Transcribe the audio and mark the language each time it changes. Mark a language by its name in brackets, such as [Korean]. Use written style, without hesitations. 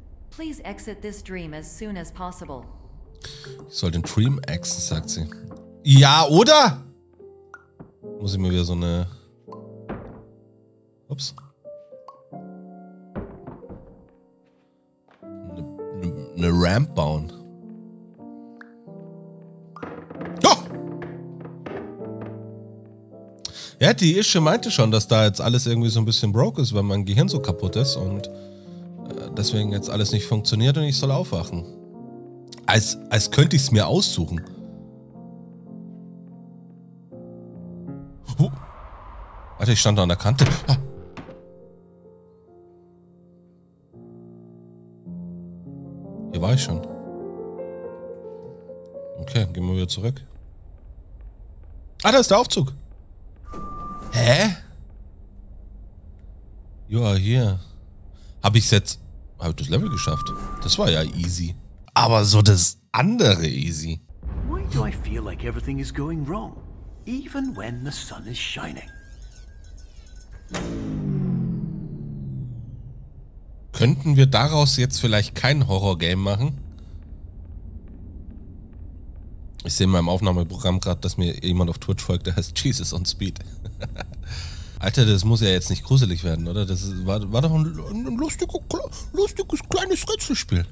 [English] Please exit this dream as soon as possible. [German] Ich soll den Dream exit, sagt sie. Ja, oder? Muss ich mir wieder so eine... Ups. Eine Ramp bauen. Oh! Ja, die Ische meinte schon, dass da jetzt alles irgendwie so ein bisschen broke ist, weil mein Gehirn so kaputt ist und deswegen jetzt alles nicht funktioniert und ich soll aufwachen. Als könnte ich es mir aussuchen. Warte, ich stand da an der Kante. Ah. Hier war ich schon. Okay, gehen wir wieder zurück. Ah, da ist der Aufzug. Hä? [English] You are here. [German] Habe ich jetzt... Habe ich das Level geschafft? Das war ja easy. Aber so das andere easy. [English] Why do I feel like everything is going wrong? Even when the sun is shining. [German] Könnten wir daraus jetzt vielleicht kein Horror-Game machen? Ich sehe in meinem Aufnahmeprogramm gerade, dass mir jemand auf Twitch folgt, der heißt Jesus on Speed. Alter, das muss ja jetzt nicht gruselig werden, oder? Das war doch ein lustiges kleines Rätselspiel.